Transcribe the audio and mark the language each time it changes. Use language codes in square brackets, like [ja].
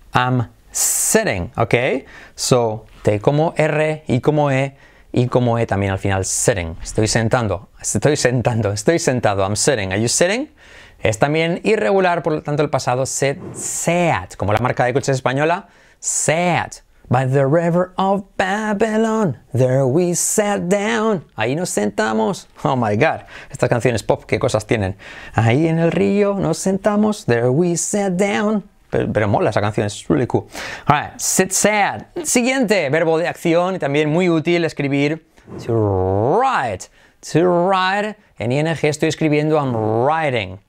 [en] I'm sitting. Okay. So T como R, I como E. [es] Y como E también al final, sitting. Estoy sentando, estoy sentando, estoy sentado. [en] I'm sitting. Are you sitting? [es] Es también irregular, por lo tanto, el pasado sit, sat. Como la marca de coches española, sat. [en] By the river of Babylon, there we sat down. [es] Ahí nos sentamos. [en] Oh my God. [es] Estas canciones pop, qué cosas tienen. Ahí en el río nos sentamos. [en] There we sat down. [es] Pero mola esa canción, es [en] really cool. [es] Alright, sit sad. Siguiente, verbo de acción y también muy útil escribir. To write. To write. En ING estoy escribiendo [en] I'm writing.